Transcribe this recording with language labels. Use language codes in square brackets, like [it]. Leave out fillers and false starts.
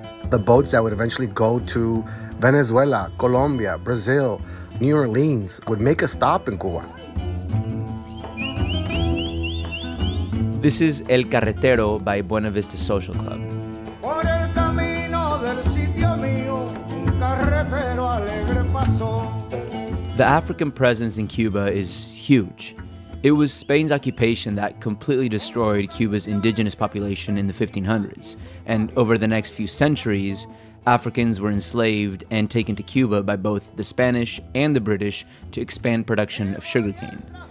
[en] The boats that would eventually go to Venezuela, Colombia, Brazil, New Orleans would make a stop in Cuba. This is El Carretero by Buena Vista Social Club. [es] Por el camino del sitio mío, un carretero alegre pasó. [en] The African presence in Cuba is huge. It was Spain's occupation that completely destroyed Cuba's indigenous population in the 1500s. And over the next few centuries, Africans were enslaved and taken to Cuba by both the Spanish and the British to expand production of sugarcane.